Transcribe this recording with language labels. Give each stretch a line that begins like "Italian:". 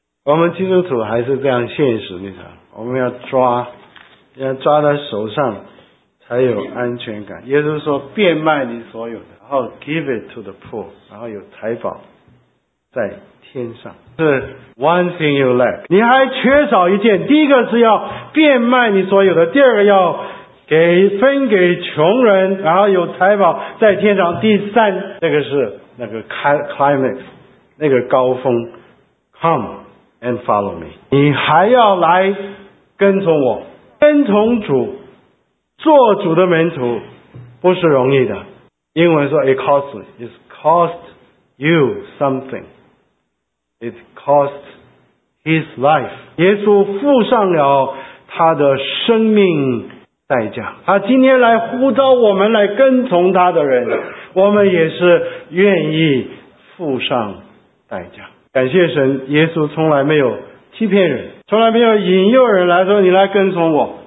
Chinese: 我们基督徒还是这样现实，你知道，我们要抓在手上才有安全感。耶稣说，变卖你所有的，然后
English: give it to the poor，
Chinese: 然后有财宝在天上。是
English: one thing you lack，
Chinese: 你还缺少一件。第一个是要变卖你所有的，第二个要分给穷人，然后有财宝在天上。第三，这个是那个 climax， 那个高峰。
English: Come and follow me，
Chinese: 你还要来跟从我，跟从主，做主的门徒，不是容易的。英文说
English: it costly， it cost you something， it cost his life。
Chinese: 耶稣付上了他的生命。代价，他今天来呼召我们来跟从他的人，我们也是愿意付上代价。感谢神，耶稣从来没有欺骗人，从来没有引诱人来说你来跟从我。